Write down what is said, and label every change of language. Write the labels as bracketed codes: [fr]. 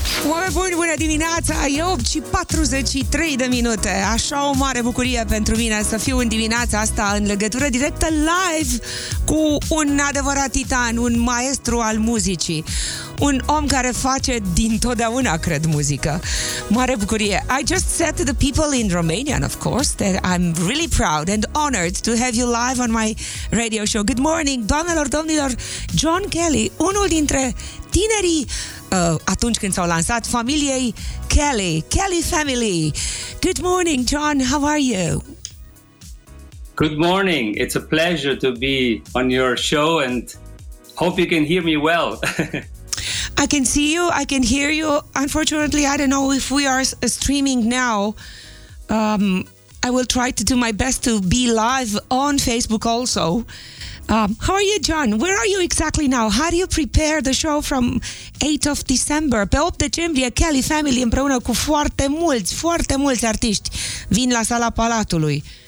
[ro] Oameni buni, bună dimineața! E 8:43 de minute. Așa o mare bucurie pentru mine să fiu în dimineața asta în legătură directă live cu un adevărat titan, un maestru al muzicii. Un om care face din totdeauna, cred, muzică. Mare bucurie! [en] I just said to the people in Romania, of course, that I'm really proud and honored to have you live on my radio show. Good morning, [ro] doamnelor, domnilor! John Kelly, unul dintre tinerii atunci când s-au lansat familiei Kelly, Kelly Family. [en] Good morning, John, how are you? Good morning, it's a pleasure to be on your show and hope you can hear me well. I can see you, I can hear you. Unfortunately, I don't know if we are streaming now. I will try to do my best to be live on Facebook also. How are you, John? Where are you exactly now? How do you prepare the show from 8th of December? [ro] Pe 8 decembrie, Kelly Family împreună cu foarte mulți, foarte mulți artiști vin la Sala Palatului.